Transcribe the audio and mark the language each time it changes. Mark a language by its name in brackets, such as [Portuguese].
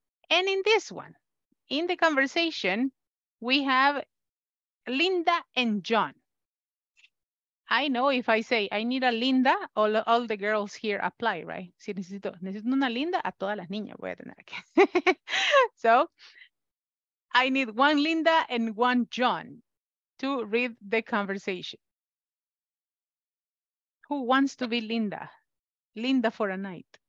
[English] And in this one, in the conversation, we have Linda and John. I know if I say I need a Linda, all the girls here apply, right? [Spanish] Si necesito una Linda, a todas las niñas voy a tener que. [English] So, I need one Linda and one John to read the conversation. Who wants to be Linda? Linda for a night.